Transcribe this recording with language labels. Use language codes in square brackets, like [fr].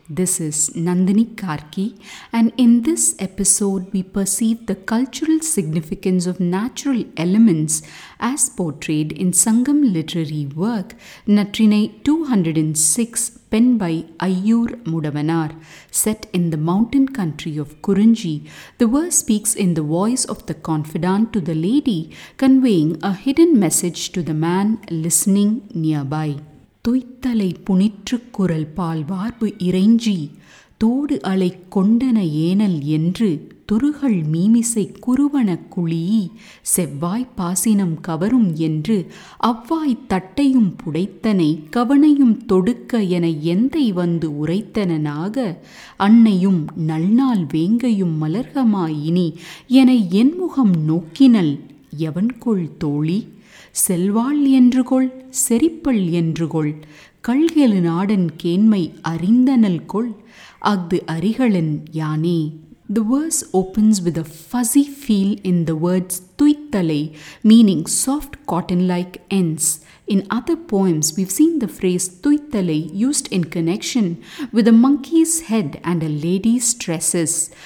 [en] This is Nandini Karki, and in this episode we perceive the cultural significance of natural elements as portrayed in Sangam literary work Natrinai 206, penned by Aiyoor Mudavanaar. Set in the mountain country of Kurinji, the verse speaks in the voice of the confidante to the lady, conveying a hidden message to the man listening nearby. [ta] துய்த்தலை புனிற்று குரல் பால் வார்பு இறைஞ்சி தோடு அலை கொண்டன anal என்று துருகள் மீமிசை குருவன குழியி செவ்வாய் பாசினம் கவரும் என்று அவ்வாய் தட்டையும் புடைத்தனை கவனையும் தொடுக்க என எந்தை வந்து உரைத்தனாக அன்னையும் நல்நாள் வேங்கையும் மலர்கமாயினி என என்முகம் நோக்கினல் எவன்கொள் தோழி செல்வாள் என்று கொள் செறிப்பள் என்று கொள் கல்கெழு நாடன் கேண்மை அறிந்தனல் கொள் அஃது அரிகளன் யானே. [en] The verse opens with a fuzzy feel in the words tuittalai, meaning soft cotton-like ends. In other poems, we've seen the phrase tuittalai used in connection with a monkey's head and a lady's tresses.